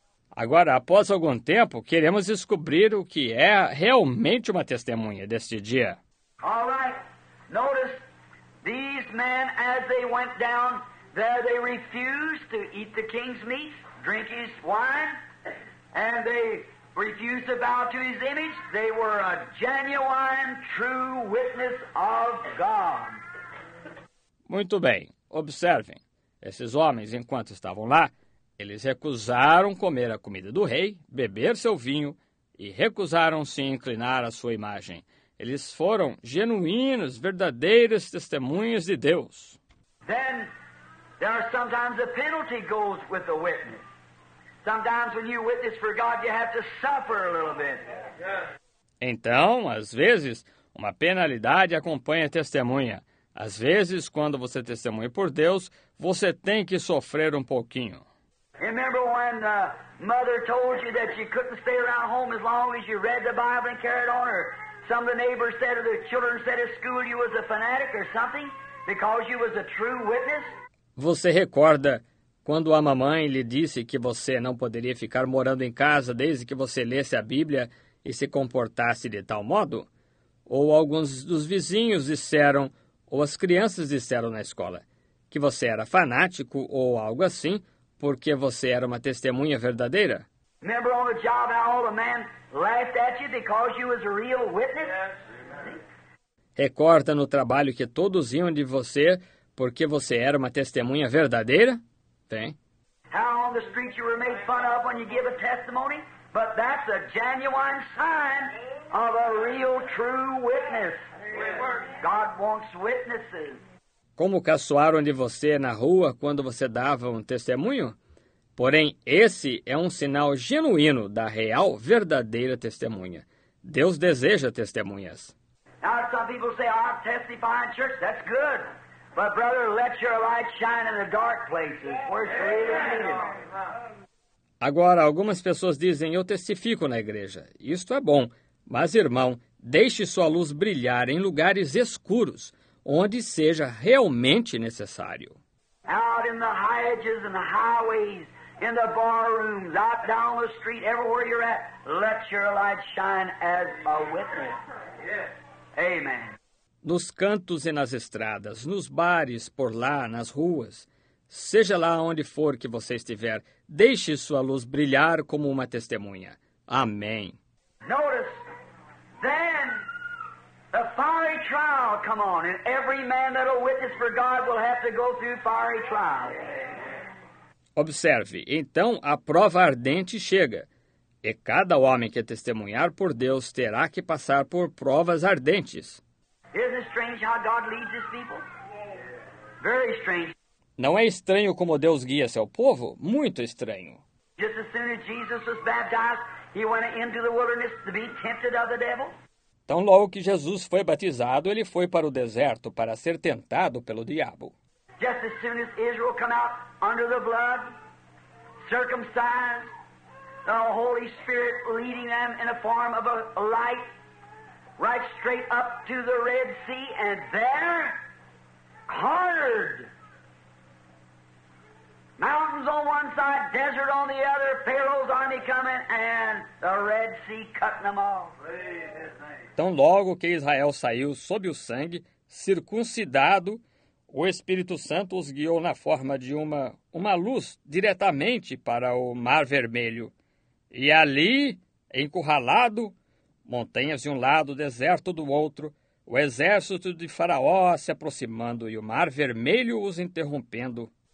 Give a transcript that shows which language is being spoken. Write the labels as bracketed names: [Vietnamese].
[Portuguese] Agora, após algum tempo, queremos descobrir o que é realmente uma testemunha deste dia. [English] All right. Notice these men as they went down there, they refused to eat the king's meat, drink his wine, and they refused to bow to his image. They were a genuine, true witness of God. [Portuguese] Muito bem. Observem. Esses homens, enquanto estavam lá, eles recusaram comer a comida do rei, beber seu vinho e recusaram-se inclinar à sua imagem. Eles foram genuínos, verdadeiros testemunhos de Deus. [English] Then there are sometimes a penalty goes with the witness. Sometimes when you witness for God, you have to suffer a little bit. [Portuguese] Então, às vezes, uma penalidade acompanha a testemunha. Às vezes, quando você testemunha por Deus, você tem que sofrer um pouquinho. [English] Remember when the mother told you that you couldn't stay around home as long as you read the Bible and carried on, or some of the neighbors said or the children said at school you was a fanatic or something because you was a true witness? [Portuguese] Você recorda quando a mamãe lhe disse que você não poderia ficar morando em casa desde que você lesse a Bíblia e se comportasse de tal modo? Ou alguns dos vizinhos disseram, ou as crianças disseram na escola, que você era fanático ou algo assim, porque você era uma testemunha verdadeira? [English] Remember on the job how all the men laughed at you because you was a real witness? [Portuguese] Recorda no trabalho que todos riam de você porque você era uma testemunha verdadeira? Tem. [English] How on the street you were made fun of when you give a testimony? But that's a genuine sign of a real true witness. God wants witnesses. [Portuguese] Como caçoaram de você na rua quando você dava um testemunho? Porém, esse é um sinal genuíno da real, verdadeira testemunha. Deus deseja testemunhas. [English] Now some people say, "I testify in church." That's good. But brother, let your light shine in the dark places. We're really needed. [Portuguese] Agora, algumas pessoas dizem, "Eu testifico na igreja." Isto é bom. Mas, irmão, deixe sua luz brilhar em lugares escuros, onde seja realmente necessário. [English] Out in the hedges and the highways, in the bar rooms, out down the street, everywhere you're at, let your light shine as a witness. Yes. Amen. [Portuguese] Nos cantos e nas estradas, nos bares, por lá, nas ruas, seja lá onde for que você estiver, deixe sua luz brilhar como uma testemunha. Amém. [English] Notice, then, the fiery trial come on, and every man that will witness for God will have to go through fiery trial. [Portuguese] Observe, então a prova ardente chega, e cada homem que testemunhar por Deus terá que passar por provas ardentes. [English] Isn't it strange how God leads his people? Very strange. [Portuguese] Não é estranho como Deus guia seu povo? Muito estranho. [English] Just as soon as Jesus was baptized, he went into the wilderness to be tempted of the devil. [Portuguese] Tão logo que Jesus foi batizado, ele foi para o deserto para ser tentado pelo diabo. [English] Just as soon as Israel came out under the blood, circumcised, the Holy Spirit leading them in a form of a light, right straight up to the Red Sea, and there, hard. Mountains on one side, desert on the other, Pharaoh's army coming, and the Red Sea cutting them off. [Portuguese] Tão logo que Israel saiu sob o sangue, circuncidado, o Espírito Santo os guiou na forma de uma luz diretamente para o Mar Vermelho. E ali, encurralado, montanhas de um lado, deserto do outro, o exército de Faraó se aproximando e o Mar Vermelho os interrompendo.